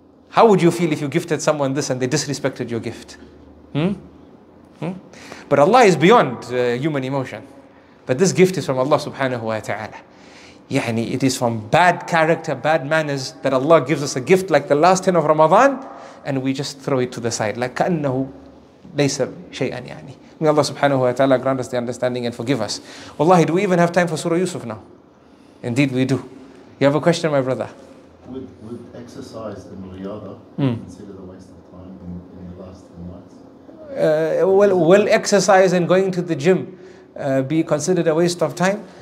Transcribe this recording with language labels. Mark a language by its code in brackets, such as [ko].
[en] How would you feel if you gifted someone this and they disrespected your gift? But Allah is beyond human emotion. But this gift is from Allah subhanahu wa ta'ala. يعني it is from bad character, bad manners that Allah gives us a gift like the last 10 of Ramadan and we just throw it to the side. [ar] Like كأنه ليس شيئا يعني. [en] May Allah subhanahu wa ta'ala grant us the understanding and forgive us. Wallahi, do we even have time for Surah Yusuf now? Indeed we do. You have a question, my brother? Would exercise and riyadah considered a waste of time in the last 10 nights? Will exercise and going to the gym be considered a waste of time?